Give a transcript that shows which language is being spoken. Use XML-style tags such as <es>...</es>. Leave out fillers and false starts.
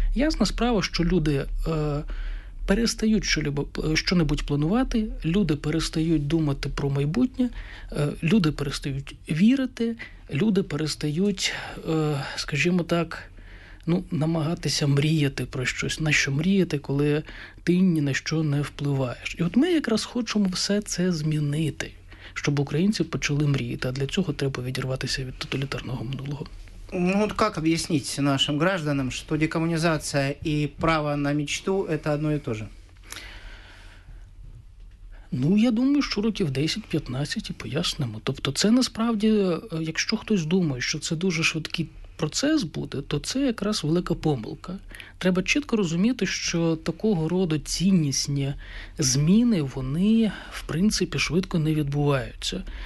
<uk>Ясна справа, що люди перестають щонебудь планувати, люди перестають думати про майбутнє, люди перестають вірити, люди перестають, скажімо так, ну, намагатися мріяти про щось. На що мріяти, коли ти ні на що не впливаєш? І от ми якраз хочемо все це змінити, щоб українці почали мріяти, а для цього треба відірватися від тоталітарного минулого.</uk> <ru>Ну вот как объяснить нашим гражданам, что декоммунизация и право на мечту – это одно и то же?</ru> <uk>Ну, я думаю, що років 10-15 і пояснимо. Тобто це насправді, якщо хтось думає, що це дуже швидкий процес буде, то це якраз велика помилка. Треба чітко розуміти, що такого роду ціннісні зміни, вони, в принципі, швидко не відбуваються.</uk>